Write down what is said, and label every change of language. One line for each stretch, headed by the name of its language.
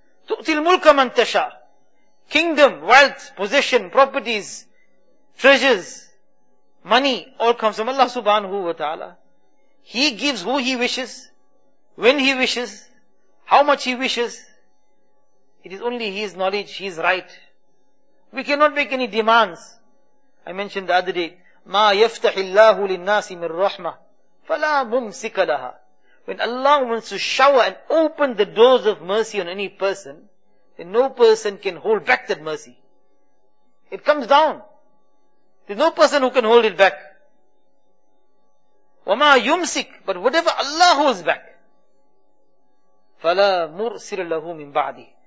Arabic: تُؤْتِي الْمُلْكَ مَنْ تَشَى.
English: Kingdom, wealth, possession, properties, treasures, money, all comes from Allah subhanahu wa ta'ala. He gives who He wishes, when He wishes, how much He wishes. It is only His knowledge, His right. We cannot make any demands. I mentioned the other day,
Arabic: مَا يَفْتَحِ اللَّهُ لِلنَّاسِ مِنْ رَحْمَةٍ فَلَا مُمْسِكَ لَهَا.
English: When Allah wants to shower and open the doors of mercy on any person, then no person can hold back that mercy. It comes down. There's no person who can hold it back.
Arabic: وَمَا يُمْسِكْ.
English: But whatever Allah holds back,
Arabic: فَلَا مُرْسِلَ لَهُ مِنْ بَعْدِ.